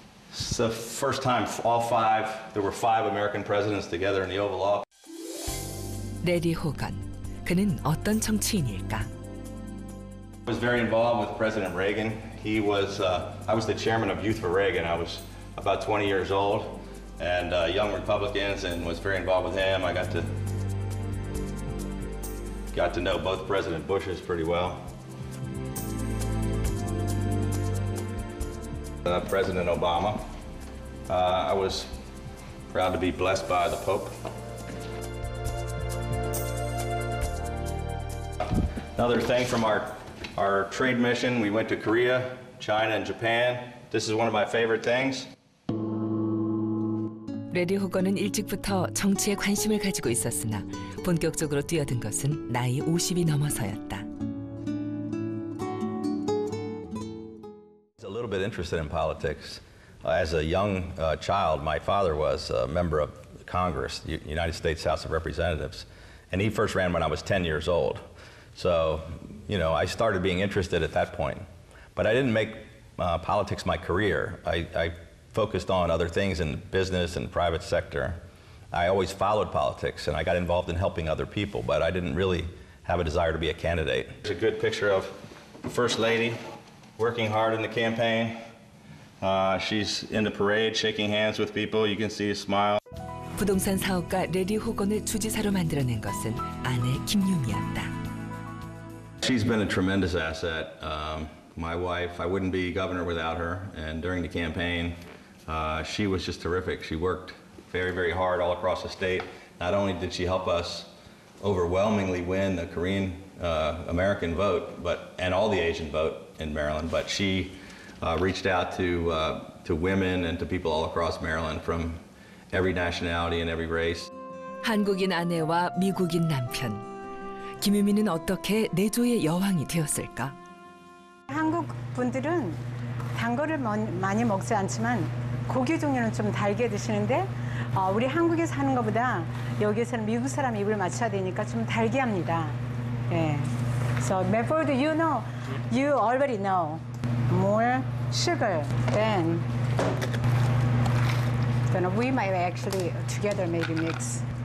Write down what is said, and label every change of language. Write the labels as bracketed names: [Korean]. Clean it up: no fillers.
[English] It's the first time all five, there were five American presidents together in the Oval Office. [Korean] 래리 호건, 그는 어떤 정치인일까? [English] I was very involved with President Reagan. He was, I was the chairman of Youth for Reagan. I was about 20 years old and young Republicans and was very involved with him. I got to know both President Bushes pretty well. President Obama. I was proud to be blessed by the Pope. Another thing from our trade mission, we went to Korea, China, and Japan. This is one of my favorite things. [Korean] 래리 호건은 일찍부터 정치에 관심을 가지고 있었으나 본격적으로 뛰어든 것은 나이 50이 넘어서였다. [English] Bit interested in politics. As a young child, my father was a member of Congress, United States House of Representatives, and he first ran when I was 10 years old. So, you know, I started being interested at that point. But I didn't make politics my career. I focused on other things in business and private sector. I always followed politics, and I got involved in helping other people, but I didn't really have a desire to be a candidate. There's a good picture of the First Lady. Working hard in the campaign. She's in the parade, shaking hands with people. You can see a smile. [Korean] 부동산 사업가 래리 호건을 주지사로 만들어낸 것은 아내 김유미였다. [English] she's been a tremendous asset. My wife, I wouldn't be governor without her. And during the campaign, she was just terrific. She worked very, very hard all across the state. Not only did she help us overwhelmingly win the Korean American vote, but and all the Asian vote in Maryland, but she reached out to women and to people all across Maryland from every nationality and every race. [Korean] 한국인 아내와 미국인 남편, 김유미는 어떻게 내조의 여왕이 되었을까? 한국 분들은 단 거를 많이 먹지 않지만 고기 종류는 좀 달게 드시는데 우리 한국에 사는 것보다 여기에서는 미국 사람 입을 맞춰야 되니까 좀 달게 합니다. [English] 예. So, Medford, do you know? You already know more sugar than we might actually together maybe mix.